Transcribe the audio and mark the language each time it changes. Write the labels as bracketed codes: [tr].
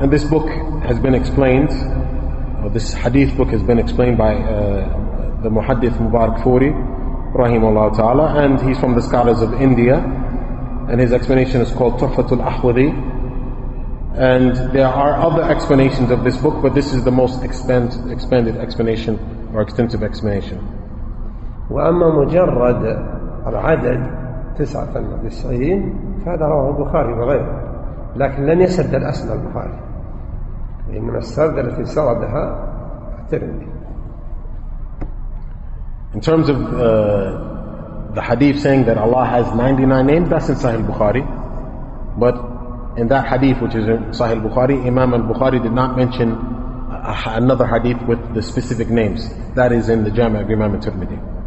[en] And this book has been explained, or this hadith book has been explained by the Muhaddith Mubarak Furi Rahimullah Ta'ala. And he's from the scholars of India. And his explanation is called Tuhfatul Ahwadi. And there are other explanations of this book, but this is the most expanded explanation or extensive explanation. [ar] وأما مجرد العدد 99 فهذا رواه البخاري وغيره، لكن لن يسرد الأسماء البخاري، إنما السرد التي سردها الترمذي. [en] In terms of the hadith saying that Allah has 99 names, that's in Sahih Bukhari. But in that hadith, which is in Sahih Bukhari, Imam al-Bukhari did not mention another hadith with the specific names. That is in the Jama' of Imam al-Tirmidhi.